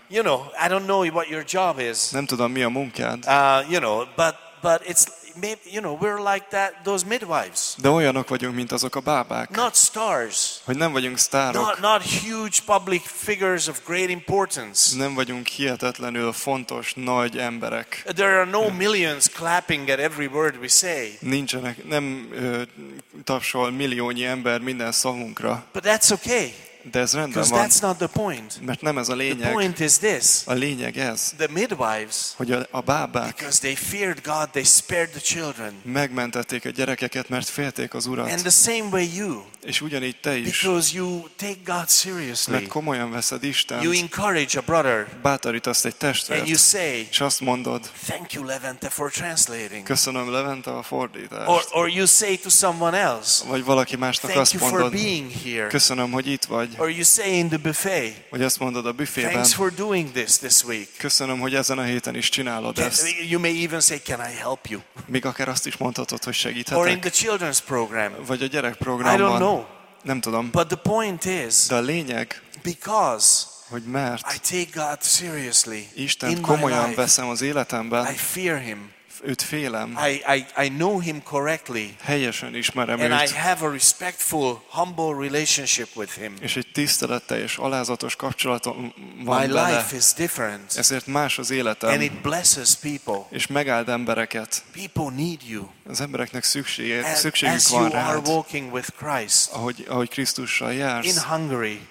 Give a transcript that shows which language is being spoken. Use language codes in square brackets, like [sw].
[en] You know, I don't know what your job is. [hu] Nem tudom, mi a munkád. [en] You know, but it's maybe, you know, we're like that, those midwives. [hu] De olyanok vagyunk, mint azok a bábák. [en] Not stars. [hu] Hogy nem vagyunk sztárok. [en] Not huge public figures of great importance. [hu] Nem vagyunk hihetetlenül fontos nagy emberek. [en] There are no millions clapping at every word we say. [hu] Nincsenek, nem tapsol milliónyi ember minden szavunkra. [en] But that's okay. [hu] De ez rendben van. [en] That's not the point. [hu] Mert nem ez a lényeg. [en] The point is this. [hu] A lényeg ez. [en] The midwives. [hu] Hogy a bábák. [en] Because they feared God, they spared the children. [hu] Megmentették a gyerekeket, mert félték az Urat. [en] And the same way you. [hu] És ugyanígy te is. [en] Because you take God seriously. [hu] Mert komolyan veszed Istent. [en] You encourage a brother. [hu] Bátorítasz egy testvért. [en] And you say. [hu] És azt mondod. [en] Thank you, Levente, for translating. [hu] Köszönöm, Levente, a fordítást. [en] Or you say to someone else. [hu] Vagy valaki másnak azt mondod. [en] Thank you for being here. [hu] Köszönöm, hogy itt vagy. [en] Or you say in the buffet. [hu] Vagy azt mondod a büfében. [en] Thanks for doing this week. [hu] Köszönöm, hogy ezen a héten is csinálod ezt. [en] You may even say, can I help you? [hu] Még akár azt is mondhatod, hogy segíthetek. [en] Or in the children's program. [hu] Vagy a gyerekprogramban. [en] I don't know. [hu] Nem tudom. [en] But the point is. [hu] De a lényeg. [en] Because. [hu] Hogy mert. [en] I take God seriously. [hu] Istent komolyan veszem az életemben. [en] I fear him. [hu] Őt félem. [en] I know him correctly. [hu] Helyesen ismerem [en] and [hu] őt. [en] I have a respectful, humble relationship with him. [hu] És egy tiszteletteljes, alázatos kapcsolatom van [en] my [hu] vele. [en] Life is different. [hu] Ezért más az életem. [en] And it blesses people. [hu] És megáld embereket. [en] People need you. [hu] Az embereknek szükségük van rád. [en] As you are walking with Christ. [hu] Ahogy Krisztussal jársz. [en] In Hungary.